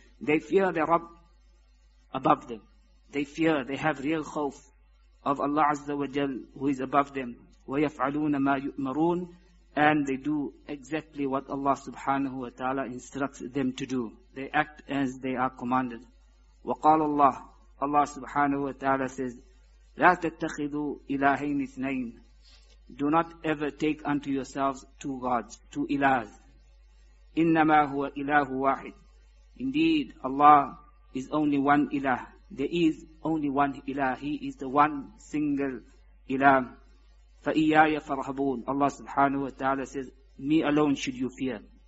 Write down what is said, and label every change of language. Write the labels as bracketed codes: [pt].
[en] They fear their Rabb above them. They fear, they have real khawf of Allah Azza wa Jal who is above them. [ar] وَيَفْعَلُونَ مَا يُؤْمَرُونَ. [en] And they do exactly what Allah subhanahu wa ta'ala instructs them to do. They act as they are commanded. [ar] وَقَالَ اللَّهُ, [en] Allah subhanahu wa ta'ala says, [ar] لَا تَتَّخِذُوا إِلَهَيْنِ اثْنَيْنِ. [en] Do not ever take unto yourselves two gods, two ilahs. [ar] إِنَّمَا هُوَ إِلَهُ وَاحِدٌ. [en] Indeed, Allah is only one ilah. There is only one ilah. He is the one single ilah. [ar] فَإِيَّايَ فَرْهَبُونَ. [en] Allah subhanahu wa ta'ala says, me alone should you fear.